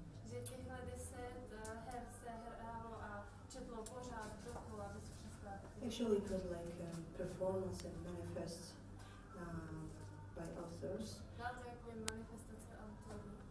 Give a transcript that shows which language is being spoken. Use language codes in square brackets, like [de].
[cs] Že těchhle 10 her se hrálo a četlo pořád dokola bez přestávky. [en] Actually, it was like a performance and manifest by authors. [cs] Byla to jako manifestace autorů.